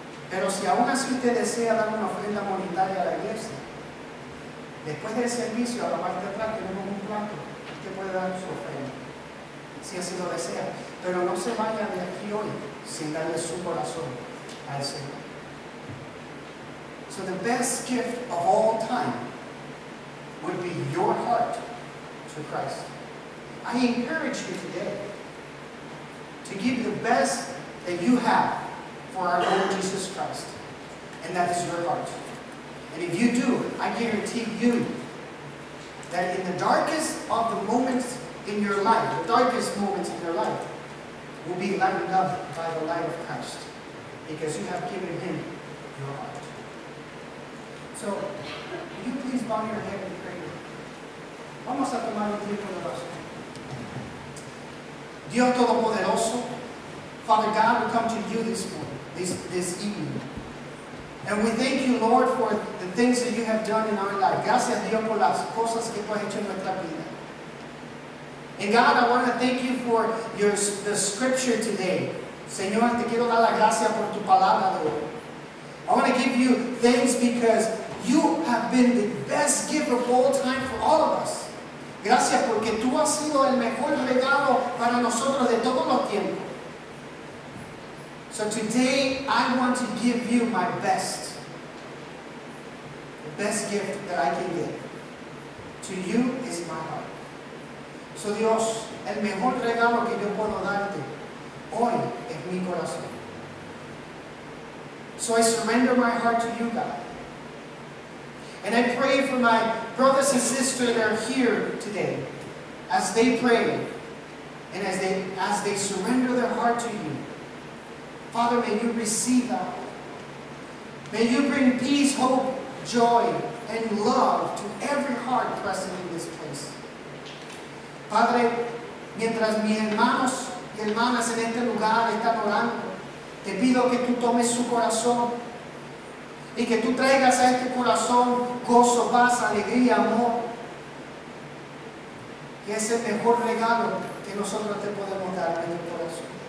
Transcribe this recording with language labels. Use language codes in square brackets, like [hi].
[es] Pero si aún así usted desea dar una ofrenda monetaria a la iglesia, después del servicio, a la parte de atrás, tenemos un plato, usted puede dar su ofrenda, si así lo desea. Pero no se vaya de aquí hoy sin darle su corazón al Señor. [en] So the best gift of all time would be your heart to Christ. I encourage you today to give the best that you have for our Lord Jesus Christ, and that is your heart. And if you do, I guarantee you that in the darkest of the moments in your life, the darkest moments in your life, will be lightened up by the light of Christ, because you have given Him your heart. So, will you please bow your head and pray? [es] Vamos a tomar un tiempo de oración. [en] Dios Todopoderoso, Father God, we come to you this morning. This evening. And we thank you, Lord, for the things that you have done in our life. [es] Gracias, Dios, por las cosas que tú has hecho en nuestra vida. [en] And God, I want to thank you for the scripture today. [es] Señor, te quiero dar la gracia por tu palabra, Lord. [en] I want to give you thanks because you have been the best gift of all time for all of us. [es] Gracias porque tú has sido el mejor regalo para nosotros de todos los tiempos. [en] So today, I want to give you my best. The best gift that I can give to you is my heart. [es] So Dios, el mejor regalo que yo puedo darte hoy es mi corazón. [en] So I surrender my heart to you, God. And I pray for my brothers and sisters that are here today. As they pray, and as they surrender their heart to you, Father, may you receive that. May you bring peace, hope, joy, and love to every heart present in this place. [es] Padre, mientras mis hermanos y hermanas en este lugar están orando, te pido que tú tomes su corazón y que tú traigas a este corazón gozo, paz, alegría, amor. Que es el mejor regalo que nosotros te podemos dar en el corazón.